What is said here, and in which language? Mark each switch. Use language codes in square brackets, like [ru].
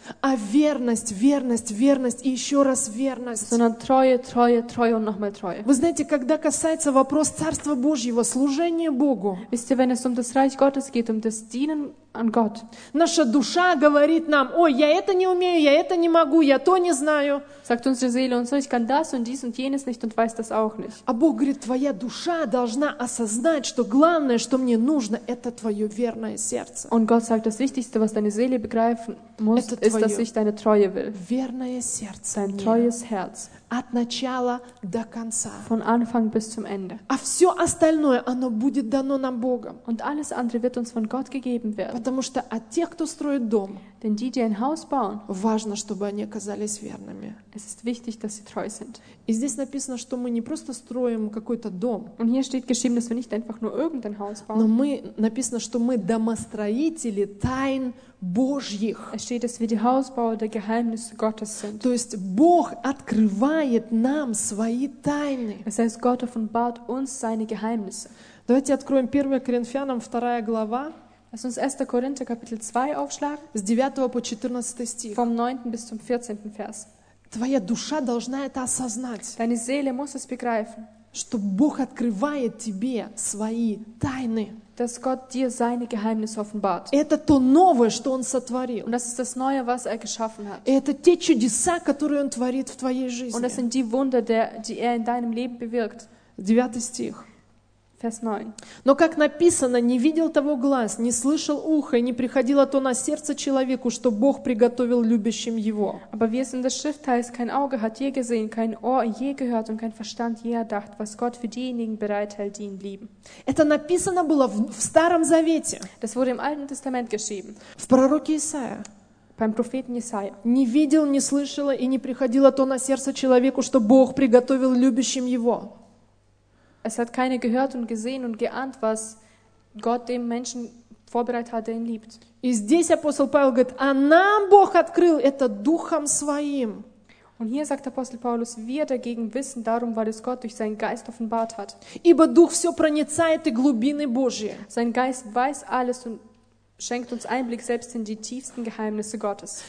[ru] а верность, верность, верность и еще раз верность. [de] Sondern Treue, Treue, Treue und nochmal Treue. [ru] Вы знаете, когда касается вопрос Царства Божьего, служения Богу, [de] wisst ihr, wenn es um das Reich Gottes geht, um das Dienen an Gott, [ru] наша душа говорит нам, ой, я это не умею, я это не могу, я то не знаю. [de] Sagt unsere Seele, und so, ich kann das und dies und jenes nicht und weiß das auch nicht. [ru] А Бог говорит, твоя душа должна осознать, что главное, что мне нужно, это твое верное сердце. [de] Und Gott sagt, das Wichtigste, was deine Seele begreifen muss, [ru] это [de] ist, dass ich deine Treue will. [ru] Верное сердце. [de] Dein treues Herz. [ru] От начала до конца. [de] Von Anfang bis zum Ende. [ru] А все остальное, оно будет дано нам Богом. [de] Und alles andere wird uns von Gott gegeben werden. [ru] Потому что от тех, кто строит дом, [de] denn die, die ein Haus bauen, [ru] важно, чтобы они оказались верными. [de] Es ist wichtig, dass sie treu sind. [ru] И здесь написано, что мы не просто строим какой-то дом. [de] Und hier steht geschrieben, dass wir nicht einfach nur irgendein Haus bauen. [ru] Но мы, написано, что мы домостроители тайн Божьих. [de] Es steht, dass wir die Hausbauer der Geheimnisse Gottes sind. [ru] То есть Бог открывает нам свои тайны. [de] Das heißt, Gott offenbart uns seine Geheimnisse. [ru] Давайте откроем 1 Коринфянам 2 глава. [de] Lass uns 1. Korinther Kapitel 2 aufschlagen. [ru] С 9 по 14 стих. [de] Vom 9. bis zum 14. Vers. [ru] Твоя душа должна это осознать. [de] Deine Seele muss es begreifen. [ru] Что Бог открывает тебе свои тайны. [de] Dass Gott dir seine Geheimnisse offenbart. [ru] Это то новое, что Он сотворил. [de] Und das ist das Neue, was er geschaffen hat. [ru] Это те чудеса, которые Он творит в твоей жизни. [de] Und das sind die Wunder, die er in deinem Leben bewirkt. [ru] 9. стих. [de] Vers 9. [ru] Но как написано, не видел того глаз, не слышал ухо, и не приходило то на сердце человеку, что Бог приготовил любящим его. [de] Aber wie es in der Schrift heißt, kein Auge hat je gesehen, kein Ohr je gehört und kein Verstand je erdacht, was Gott für diejenigen bereithält, die ihn lieben. [ru] Это написано было в Старом Завете. [de] Das wurde im Alten Testament geschrieben. [ru] В пророке Исаия. [de] Beim Propheten Jesaja. [ru] Не видел, не слышало и не приходило то на сердце человеку, что Бог приготовил любящим его. [de] Es hat keiner gehört und gesehen und geahnt, was Gott dem Menschen vorbereitet hat, der ihn liebt. [ru] И здесь апостол Павел говорит, а нам Бог открыл это духом своим. [de] Und hier sagt Apostel Paulus, wir dagegen wissen darum, weil es Gott durch seinen Geist offenbart hat. [ru] Ибо дух все проницает и глубины Божьи. [de] Sein Geist weiß alles und schenkt uns Einblick selbst in die tiefsten Geheimnisse Gottes.